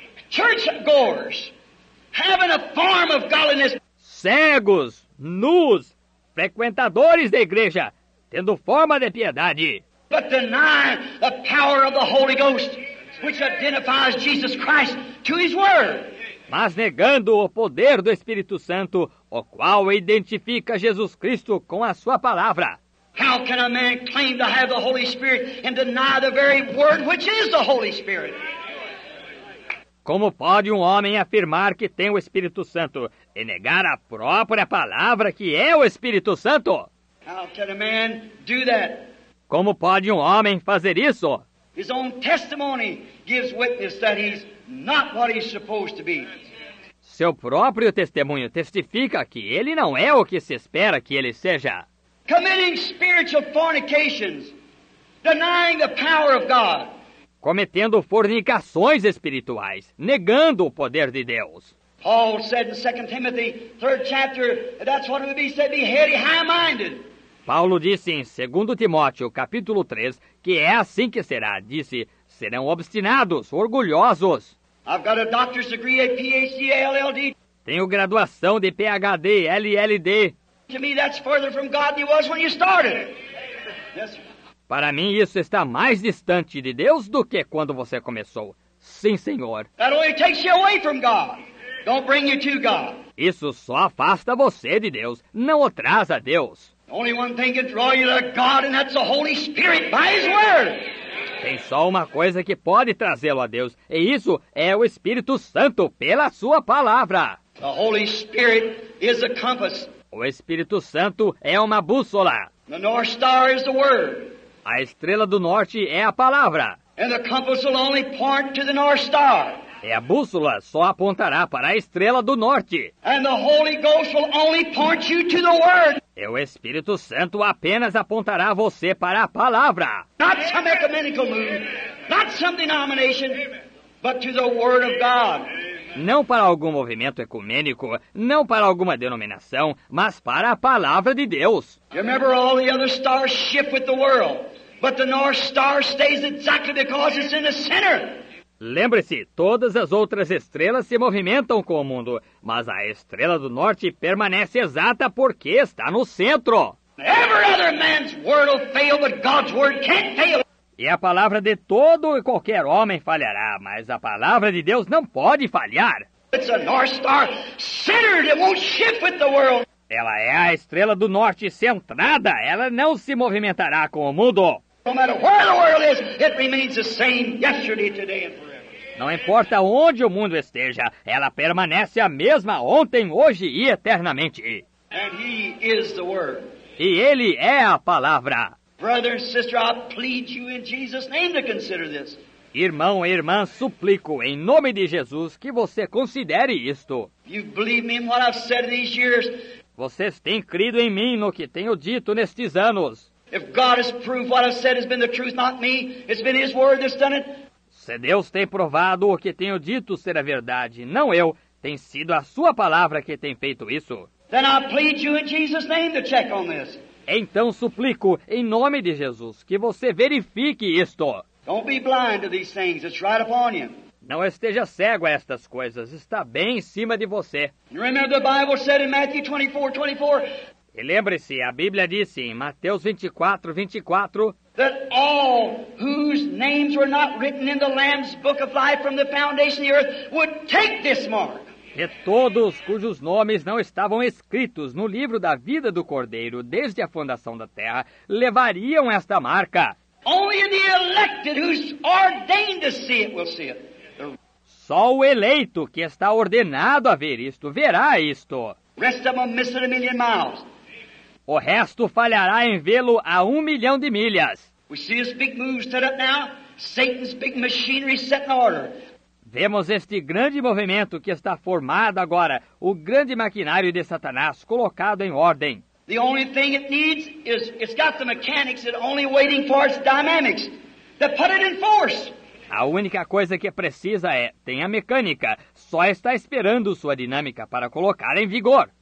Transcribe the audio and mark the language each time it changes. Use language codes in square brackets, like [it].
[en] Churchgoers, having a form of godliness. [pt] Cegos, nus, frequentadores da igreja, tendo forma de piedade. [en] But denying the power of the Holy Ghost, which identifies Jesus Christ to His Word. [pt] Mas negando o poder do Espírito Santo, o qual identifica Jesus Cristo com a sua palavra. [en] How can a man claim to have the Holy Spirit and deny the very word which is the Holy Spirit? [pt] Como pode um homem afirmar que tem o Espírito Santo e negar a própria palavra que é o Espírito Santo? [en] How can a man do that? [pt] Como pode um homem fazer isso? [en] His own testimony gives witness that he's not what he's supposed to be. [pt] Seu próprio testemunho testifica que ele não é o que se espera que ele seja. [en] Committing spiritual fornications, denying the power of God. [pt] Cometendo fornicações espirituais, negando o poder de Deus. [en] Paul said in 2 Timothy, 3rd chapter, that's what it would be said, be heady, high-minded. [pt] Paulo disse em 2 Timóteo, capítulo 3, que é assim que será. Disse, serão obstinados, orgulhosos. [en] I've got a doctor's degree, a PhD, a LLD. [pt] Tenho graduação de PhD, LLD. [en] To me, that's further from God than it was when you started. Yes. [pt] Para mim, isso está mais distante de Deus do que quando você começou. Sim, Senhor. [en] That only takes you away from God. Don't bring you to God. [pt] Isso só afasta você de Deus, não o traz a Deus. [en] Only one thing can draw you to God, and that's the Holy Spirit by His Word. [pt] Tem só uma coisa que pode trazê-lo a Deus, e isso é o Espírito Santo pela sua palavra. [en] The Holy Spirit is a compass. [pt] O Espírito Santo é uma bússola. [en] The North Star is the Word. [pt] A estrela do norte é a palavra. [en] And the compass will only point to the North Star. [pt] E a bússola só apontará para a estrela do norte. [en] And the Holy Ghost will only point you to the Word. [pt] E o Espírito Santo apenas apontará você para a palavra. [en] Not some ecumenical move, not some denomination, but to the Word of God. [pt] Não para algum movimento ecumênico, não para alguma denominação, mas para a palavra de Deus. [en] You remember all the other stars shift with the world, but the North Star stays exactly because it's in the center. [pt] Lembre-se, todas as outras estrelas se movimentam com o mundo, mas a estrela do norte permanece exata porque está no centro. [en] Every other man's word will fail, but God's word can't fail. [pt] E a palavra de todo e qualquer homem falhará, mas a palavra de Deus não pode falhar. [en] It's a North Star centered, it won't shift with the world. [pt] Ela é a estrela do norte centrada, ela não se movimentará com o mundo. [en] No matter where the world is, it remains the same yesterday, today, and forever. [pt] Não importa onde o mundo esteja, ela permanece a mesma ontem, hoje e eternamente. [en] And He is the Word. [pt] E Ele é a palavra. [en] Brother and sister, I plead you in Jesus' name to consider this. [pt] Irmão e irmã, suplico em nome de Jesus que você considere isto. [en] You believe me in what I've said these years. [pt] Vocês têm crido em mim no que tenho dito nestes anos. [en] If God has proved what I've said has been the truth, not me, it's been His word that's done it. [pt] Se Deus tem provado o que tenho dito ser a verdade, não eu, tem sido a sua palavra que tem feito isso. [en] Then I plead you in Jesus' name to check on this. [pt] Então suplico, em nome de Jesus, que você verifique isto. [en] Don't be blind to these things, it's right upon you. [pt] Não esteja cego a estas coisas, está bem em cima de você. [en] You remember the Bible said in Matthew 24:24. [pt] E lembre-se, a Bíblia disse em Mateus 24, 24, [en] that all whose names were not written in the Lamb's book of life from the foundation of the earth would take this mark. [pt] E todos cujos nomes não estavam escritos no livro da vida do Cordeiro desde a fundação da terra levariam esta marca. [en] Only the elected who's ordained to see it will see it. [pt] Só o eleito que está ordenado a ver isto verá isto. [en] Rest of them will miss it a million miles. [pt] O resto falhará em vê-lo a 1 milhão de milhas. [en] We see this big move set up now. Satan's big machinery set in order. [pt] Vemos este grande movimento que está formado agora, o grande maquinário de Satanás colocado em ordem. [en] The only thing it needs is it's got the mechanics that only waiting for its dynamics to put it in force. [pt] A única coisa que precisa é, tem a mecânica, só está esperando sua dinâmica para colocar em vigor.